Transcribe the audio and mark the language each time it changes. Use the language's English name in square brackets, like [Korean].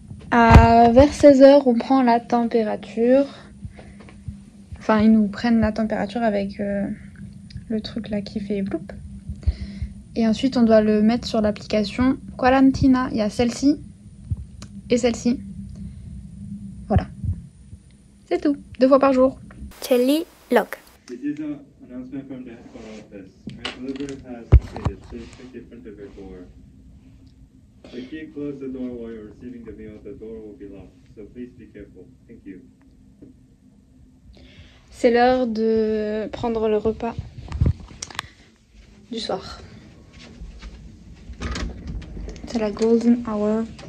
[French] Vers 16h, on prend la température. Enfin, ils nous prennent la température avec le truc là qui fait bloop. Et ensuite, on doit le mettre sur l'application Quarantina. Il y a celle-ci et celle-ci. Voilà. C'est tout, deux fois par jour. Chelly Lock. [English] This is an announcement from the Hefa office. Our delivery has completed, so expect a print of your door. If you close the door while you're receiving the mail, the door will be locked. So please be careful. Thank you. [French] C'est l'heure de prendre le repas du soir. C'est la golden hour.